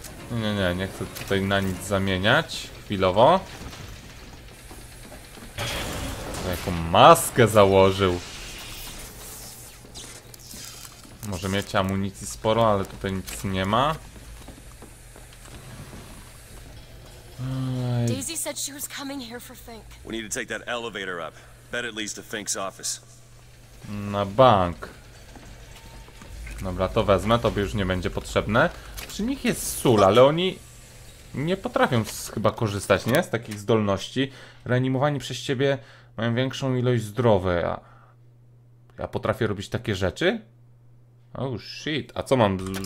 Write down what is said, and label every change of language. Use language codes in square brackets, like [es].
[pl] Nie, nie chcę tutaj na nic zamieniać. Chwilowo. Jaką maskę założył. Może mieć amunicji sporo, ale tutaj nic nie ma. [en] Daisy said she was coming here for Fink. We need to take that elevator up. Bet it leads to Fink's office. [pl] Na bank. Dobra, to wezmę, to by już nie będzie potrzebne. Przy nich jest sól, ale oni nie potrafią chyba korzystać, nie? Z takich zdolności. Reanimowani przez ciebie mają większą ilość zdrowia. Ja potrafię robić takie rzeczy? Oh shit, a co mam?